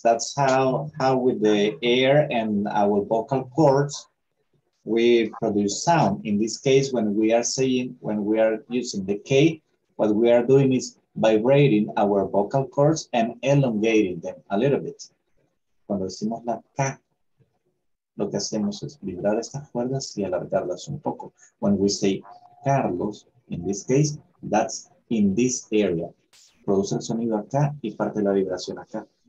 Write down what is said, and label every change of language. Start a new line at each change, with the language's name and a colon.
English: That's how with the air and our vocal cords, we produce sound. In this case, when we are using the K, what we are doing is vibrating our vocal cords and elongating them a little bit.
Spanish: Cuando decimos la K, lo que hacemos es vibrar estas cuerdas y alargarlas un poco.
English: When we say Carlos, in this case, that's in this area.
Spanish: Produce el sonido acá y parte la vibración acá.